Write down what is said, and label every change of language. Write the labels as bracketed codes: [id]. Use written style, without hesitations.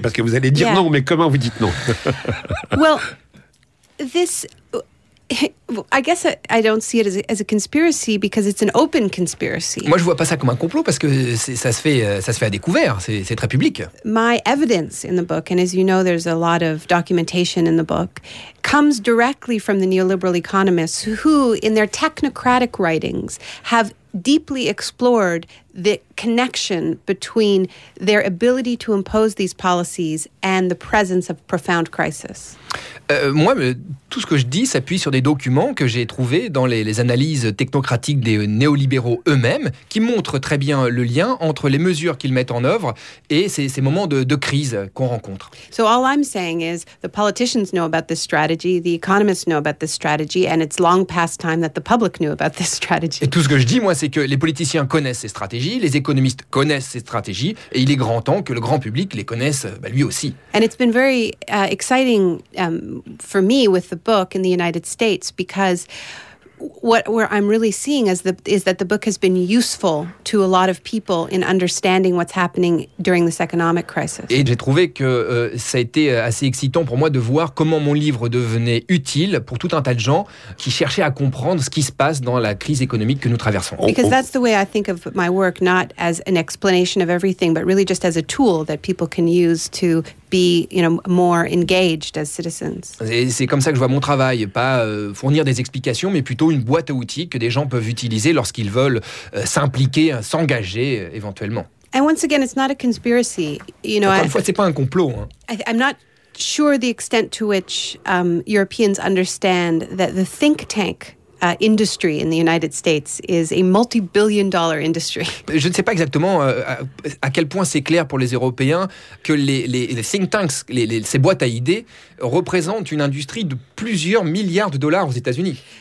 [fr] Parce que vous allez dire non, mais comment vous dites non? [en] Well, this, I guess I don't see it as a conspiracy because it's an open conspiracy. [fr] Moi, je vois pas ça comme un complot parce que ça se fait à découvert, c'est très public. [en] My evidence in the book, and as you know, there's a lot of documentation in the book, comes directly from the neoliberal economists who, in their technocratic writings, have deeply explored the connection between their ability to impose these policies and the presence of profound crisis. [fr] Moi, tout ce que je dis s'appuie sur des documents que j'ai trouvés dans les analyses technocratiques des néolibéraux eux-mêmes, qui montrent très bien le lien entre les mesures qu'ils mettent en œuvre et ces moments de crise qu'on rencontre. [en] So all I'm saying is the politicians know about this strategy, the economists know about this strategy, and it's long past time that the public knew about this strategy. [fr] Et tout ce que je dis, moi, c'est que les politiciens connaissent ces stratégies, les économistes connaissent ces stratégies, et il est grand temps que le grand public les connaisse lui aussi. [en] And it's been very exciting for me with the book in the United States because what I'm really seeing is that the book has been useful to a lot of people in understanding what's happening during this economic crisis. [fr] Et j'ai trouvé que ça a été assez excitant pour moi de voir comment mon livre devenait utile pour tout un tas de gens qui cherchaient à comprendre ce qui se passe dans la crise économique que nous traversons. [en] Because that's the way I think of my work, not as an explanation of everything, but really just as a tool that people can use to be, you know, more engaged as citizens. [fr] Et c'est comme ça que je vois mon travail, pas fournir des explications, mais plutôt une boîte à outils que des gens peuvent utiliser lorsqu'ils veulent s'impliquer, s'engager éventuellement. [en] And once again, it's not a conspiracy. You know, [fr] encore une fois, c'est pas un complot. [en] I'm not sure the extent to which Europeans understand that the think tank industry in the United States is a multi-billion dollar industry. [fr] Je ne sais pas exactement à quel point c'est clair pour les Européens que les think tanks, ces boîtes à idées, représentent une industrie de plusieurs milliards de dollars aux États-Unis.